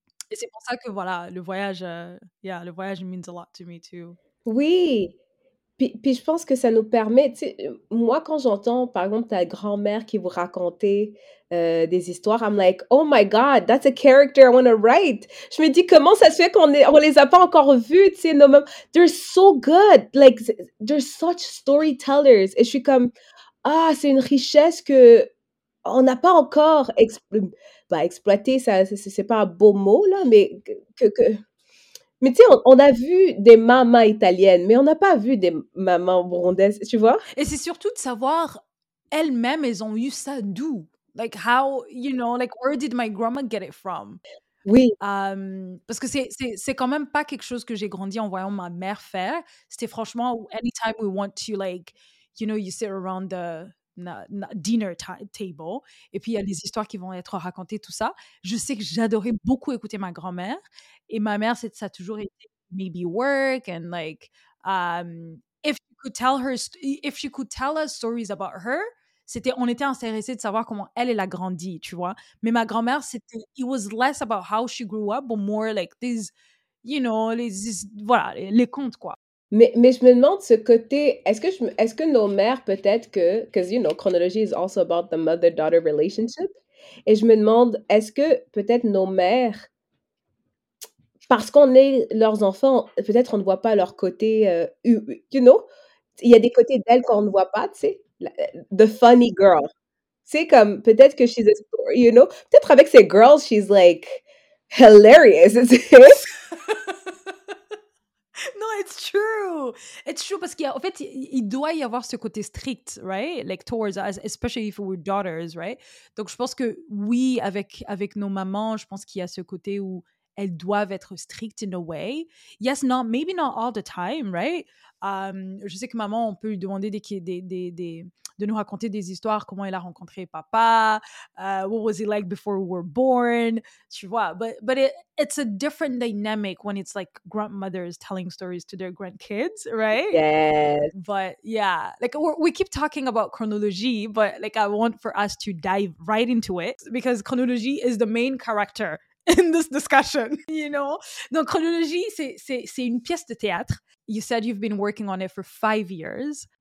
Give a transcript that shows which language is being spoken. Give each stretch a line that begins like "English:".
French: Et c'est pour ça que, voilà, le voyage, yeah, le voyage
English: means a lot to me, too.
French: Oui! Puis je pense que ça nous permet, tu sais, moi, quand j'entends, par exemple, ta grand-mère qui vous racontait des histoires,
English: I'm like, oh my God, that's a character I want to write.
French: Je me dis, comment ça se fait qu'on les a pas encore vus, tu sais, nos mêmes.
English: They're so good. Like, they're such storytellers.
French: Et je suis comme, ah, c'est une richesse que on n'a pas encore exploité, ça, c'est pas un beau mot, là, mais que... Mais tu sais, on a vu des mamans italiennes, mais on n'a pas vu des mamans burundaises, tu vois? Et c'est surtout de savoir, elles-mêmes, elles ont eu ça d'où?
English: Like, how, you know, like, where did my grandma get it from?
French: Oui. Parce que c'est quand même pas quelque chose que j'ai grandi en voyant ma mère faire. C'était franchement,
English: anytime we want to, like, you know, you sit around the dinner table,
French: et puis il y a des histoires qui vont être racontées, tout ça. Je sais que j'adorais beaucoup écouter ma grand-mère. Et ma mère, ça a toujours été
English: maybe work and like if she could tell us stories about her,
French: c'était on était intéressé de savoir comment elle a grandi, tu vois. Mais ma grand-mère, c'était
English: it was less about how she grew up, but more like these, you know,
French: les contes quoi. Mais je me demande ce côté, est-ce que nos mères peut-être que,
English: because you know, chronology is also about the mother-daughter relationship.
French: Et je me demande, est-ce que peut-être nos mères, parce qu'on est leurs enfants, peut-être on ne voit pas leur côté,
English: you know?
French: Il y a des côtés d'elles qu'on ne voit pas, tu sais?
English: The funny girl.
French: C'est comme, peut-être que
English: she's a story, you know?
French: Peut-être avec ces girls,
English: she's like, hilarious,
French: tu sais?
English: Non, it's true! It's true,
French: parce qu'en fait, il doit y avoir ce côté strict,
English: right? Like, towards us, especially if we're daughters, right?
French: Donc, je pense que, oui, avec nos mamans, je pense qu'il y a ce côté où elles doivent être strictes
English: in a way. Yes, not, maybe not all the time, right?
French: Je sais que maman, on peut lui demander de nous raconter des histoires, comment elle a rencontré papa,
English: what was it like before we were born,
French: tu vois.
English: But it's a different dynamic when it's like grandmothers telling stories to their grandkids, right? Yes. But yeah, like we keep talking about chronology, but like I want for us to dive right into it because chronology is the main character in this discussion, you know?
French: Donc, chronologie, c'est une pièce de théâtre.
English: You said you've been working on it for 5 years.